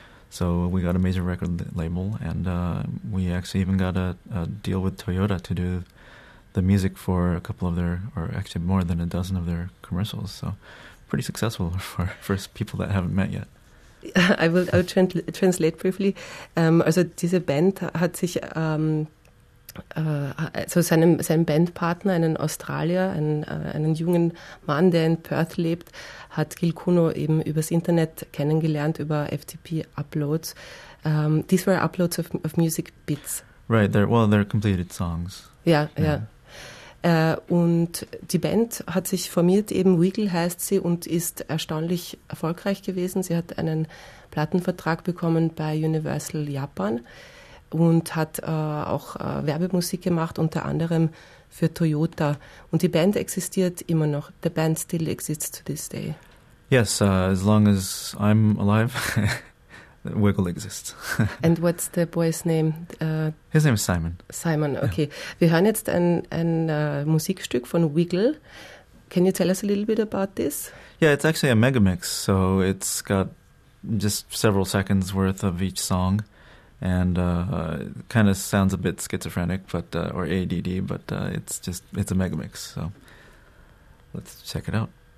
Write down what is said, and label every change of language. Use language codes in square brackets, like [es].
[en] So we got a major record label, and we actually even got a deal with Toyota to do the music for a couple of their, or actually more than a dozen of their commercials. So pretty successful for people that haven't met yet. I will translate briefly. [de] Also diese Band hat sich so seinem Bandpartner, einen Australier, einen jungen Mann, der in Perth lebt, hat Gil Kuno eben übers Internet kennengelernt, über FTP Uploads. [en] These were uploads of music bits. Right, they're completed songs. Yeah. [de] Und die Band hat sich formiert, eben Wiggle heißt sie, und ist erstaunlich erfolgreich gewesen. Sie hat einen Plattenvertrag bekommen bei Universal Japan und hat auch Werbemusik gemacht, unter anderem für Toyota. Und die Band existiert immer noch. [en] The band still exists to this day. Yes, as long as I'm alive, Wiggle exists. And what's the boy's name? His name is Simon. Simon, okay. Yeah. [de] Wir hören jetzt ein Musikstück von Wiggle. [en] Can you tell us a little bit about this? Yeah, it's actually a megamix, so it's got just several seconds worth of each song, and kind of sounds a bit schizophrenic, but or ADD, but it's a megamix, so let's check it out.